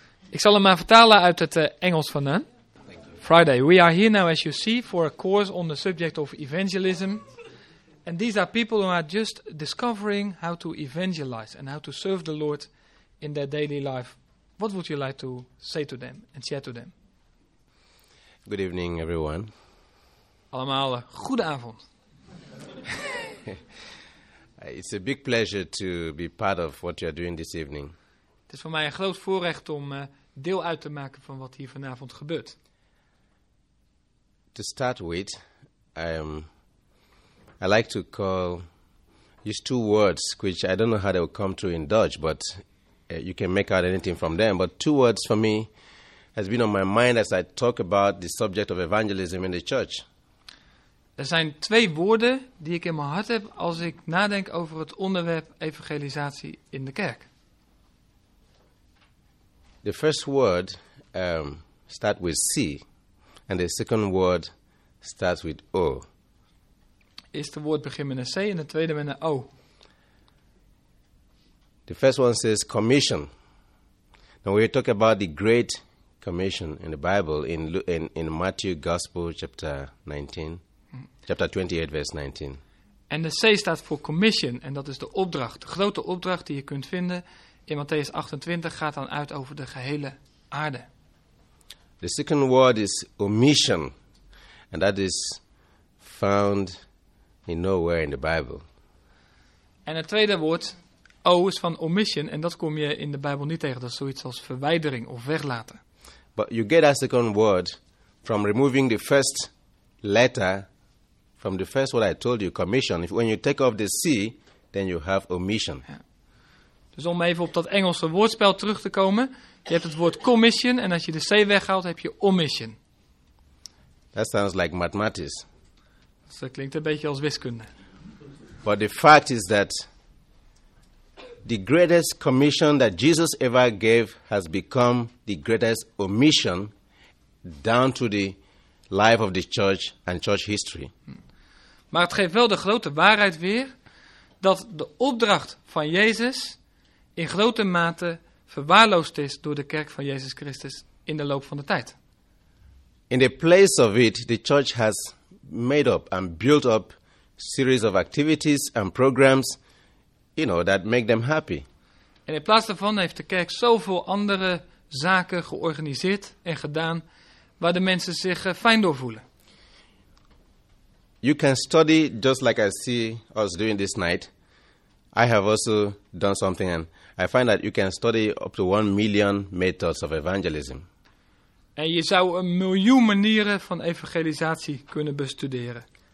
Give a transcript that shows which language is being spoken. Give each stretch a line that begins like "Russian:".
Dutch: Ik zal hem maar vertalen uit het Engels vandaan.
English: Friday, we are here now as you see for a course on the subject of evangelism. And these are people who are just discovering how to evangelize and how to serve the Lord in their daily life. What would you like to say to them and share to them? Good evening, everyone.
Dutch: Allemaal, goede avond.
English: It's a big pleasure to be part of what you are doing this evening.
Dutch: Het is voor mij een groot voorrecht om deel uit te maken van wat hier vanavond gebeurt.
English: To start with, I like to call these two words, which I don't know how they will come through in Dutch, but you can make out anything from them. But two words for me has been on my mind as I talk about the subject of evangelism in the church.
Dutch: Er zijn twee woorden die ik in mijn hart heb als ik nadenk over het onderwerp evangelisatie in de kerk.
English: The first word starts with C, and the second word starts with O.
Dutch: Eerste woord begint met een C en de tweede met een O.
English: The first one says commission. Now we talk about the great commission in the Bible in Matthew Gospel chapter 28 verse 19.
Dutch: En de C staat voor commission en dat is de opdracht, de grote opdracht die je kunt vinden in Matthäus 28 gaat dan uit over de gehele aarde.
English: The second word is omission and that is found in nowhere in the Bible.
Dutch: En het tweede woord, O is van omission en dat kom je in de Bijbel niet tegen. Dat is zoiets als verwijdering of weglaten.
English: But you get a second word from removing the first letter from the first word I told you, commission. If when you take off the C, then you have omission.
Dutch: Ja. Dus om even op dat Engelse woordspel terug te komen. Je hebt het woord commission en als je de C weghaalt, heb je omission.
English: That sounds like mathematics.
Dutch: Dus dat klinkt een beetje als wiskunde.
English: But the fact is that the greatest commission that Jesus ever gave has become the greatest omission down to the life of the church and church history.
Dutch: Maar het geeft wel de grote waarheid weer dat de opdracht van Jezus in grote mate verwaarloosd is door de kerk van Jezus Christus in de loop van de tijd.
English: In the place of it, the church has made up and built up series of activities and programs, you know, that make them happy.
Dutch: En in plaats daarvan heeft de kerk zoveel andere zaken georganiseerd en gedaan waar de mensen zich fijn door voelen.
English: You can study just like I see us doing this night. I have also done something and I find that you can study up to 1 million methods of evangelism.
Dutch: En je zou 1 miljoen manieren van evangelisatie kunnen bestuderen.